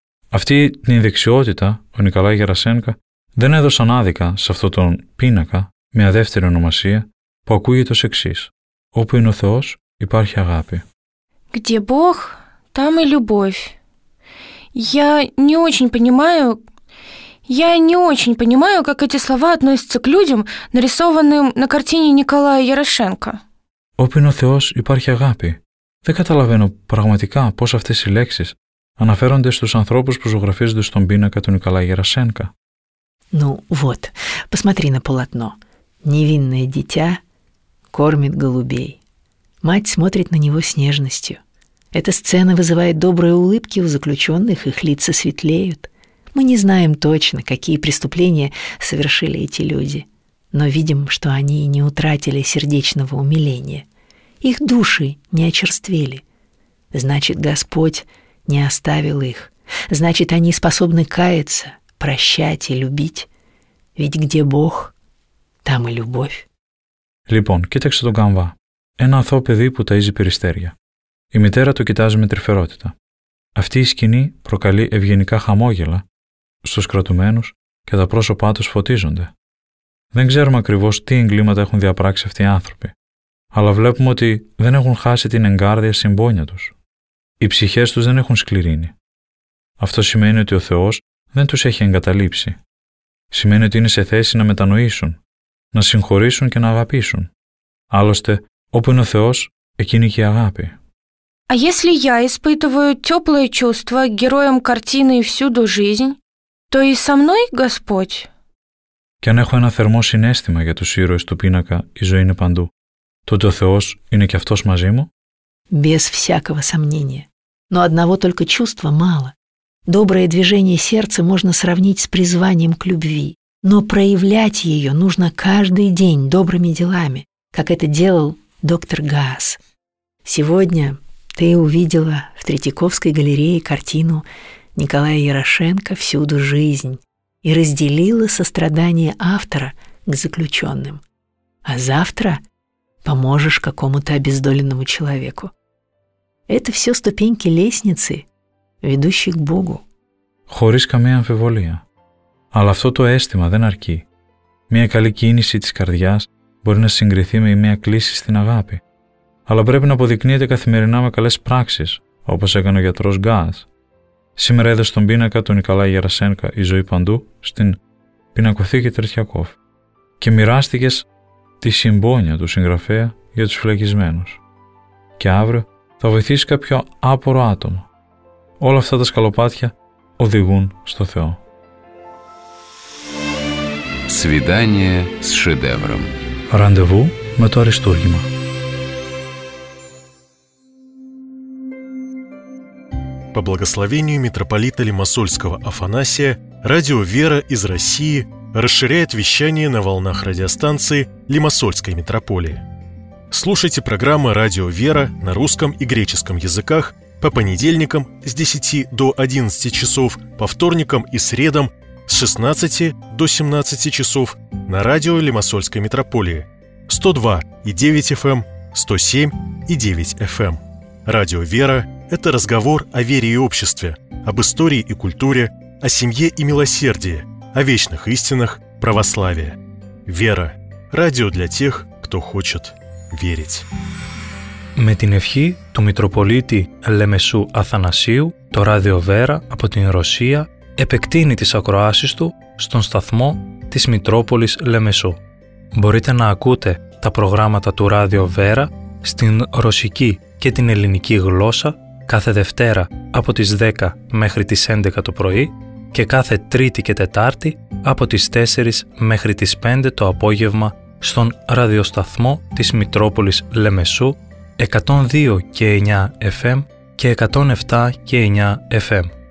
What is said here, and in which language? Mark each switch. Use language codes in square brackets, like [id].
[el] Αυτή την δεξιότητα, ο Νικολάη Γερασένκα, δεν έδωσαν άδικα σε αυτόν τον πίνακα, μια δεύτερη ονομασία, που ακούγεται ως εξής: «Όπου είναι ο Θεός, υπάρχει αγάπη». [ru] «Где Бог, там и любовь. Я не очень понимаю, как эти слова относятся к людям, нарисованным на картине Николая Ярошенко». [el] «Όπου είναι ο Θεός, υπάρχει αγάπη». Δεν καταλαβαίνω πραγματικά πώς αυτές οι λέξεις αναφέρονται στους ανθρώπους που ζωγραφίζονται στον πίνακα του Νικολάη Γερασένκα. [ru] Ну вот, посмотри на полотно. Невинное дитя кормит голубей. Мать смотрит на него с нежностью. Эта сцена вызывает добрые улыбки у заключенных, их лица светлеют. Мы не знаем точно, какие преступления совершили эти люди. Но видим, что они не утратили сердечного умиления. Их души не очерствели. Значит, Господь не оставил их, Значит, они способны каяться, прощать и любить. Ведь где Бог, там и любовь. [el] Λοιπόν, κοίταξε τον Καμβά. Ένα αθώο παιδί που ταΐζει περιστέρια. Η μητέρα το κοιτάζει με τρυφερότητα. Αυτή η σκηνή προκαλεί ευγενικά χαμόγελα στους κρατουμένους και τα πρόσωπά τους φωτίζονται. Δεν ξέρουμε ακριβώς τι εγκλήματα έχουν διαπράξει αυτοί οι άνθρωποι, αλλά βλέπουμε ότι δεν έχουν χάσει την εγκάρδια συμπόνια τους. Οι ψυχές τους δεν έχουν σκληρύνει. Αυτό σημαίνει ότι ο Θεός δεν τους έχει εγκαταλείψει. Σημαίνει ότι είναι σε θέση να μετανοήσουν, να συγχωρήσουν και να αγαπήσουν. Άλλωστε, όπου είναι ο Θεός, εκεί είναι και η αγάπη. [ru] А если я испытываю теплые чувства к героям картины и всюду жизнь, то и со мной Господь? [el] Και αν έχω ένα θερμό συνέστημα για τους ήρωες του πίνακα «Η ζωή είναι παντού», τότε ο Θεός είναι και Αυτός μαζί μου? [ru] Без всякого сомнения. Но одного только чувства мало. Доброе движение сердца можно сравнить с призванием к любви. Но проявлять ее нужно каждый день добрыми делами, как это делал доктор Гаас. Сегодня... Ты увидела в Третьяковской галерее картину Николая Ярошенко «Всюду жизнь» и разделила сострадание автора к заключенным. А завтра поможешь какому-то обездоленному человеку. Это все ступеньки лестницы, ведущей к Богу. [el] Χωρίς καμία αμφιβολία. Αλλά αυτό το αίσθημα δεν αρκεί. Μια καλή κίνηση της καρδιάς μπορεί να συγκριθεί με μια κλίση στην αγάπη. Αλλά πρέπει να αποδεικνύεται καθημερινά με καλές πράξεις, όπως έκανε ο γιατρός Γκάας. Σήμερα είδε στον πίνακα του Νικολάη Γερασένκα «Η ζωή παντού» στην πινακοθήκη Τρετιακόφ και μοιράστηκες τη συμπόνια του συγγραφέα για τους φυλακισμένους. Και αύριο θα βοηθήσει κάποιο άπορο άτομο. Όλα αυτά τα σκαλοπάτια οδηγούν στο Θεό. [ru] Σβιδάνιε σ σεδεύρομ. [el] Ραντεβού με το Αριστούργημα. [ru] По благословению митрополита Лимассольского Афанасия, радио «Вера» из России расширяет вещание на волнах радиостанции Лимассольской митрополии. Слушайте программы «Радио «Вера»» на русском и греческом языках по понедельникам с 10 до 11 часов, по вторникам и средам с 16 до 17 часов на радио Лимассольской митрополии 102,9 FM, 107,9 FM. Радио «Вера» – это разговор о вере и обществе, об истории и культуре, о семье и милосердии, о вечных истинах православия. «Вера» – радио для тех, кто хочет верить. [el] Με την ευχή του Μητροπολίτη Λεμεσού Αθανασίου, το Ράδιο Βέρα από την Ρωσία επεκτείνει τις ακροάσεις του στον σταθμό της Μητρόπολης Λεμεσού. Μπορείτε να ακούτε τα προγράμματα του Ράδιο Βέρα στην ρωσική και την ελληνική γλώσσα κάθε Δευτέρα από τις 10 μέχρι τις 11 το πρωί και κάθε Τρίτη και Τετάρτη από τις 4 μέχρι τις 5 το απόγευμα στον ραδιοσταθμό της Μητρόπολης Λεμεσού 102 και 9 FM και 107 και 9 FM.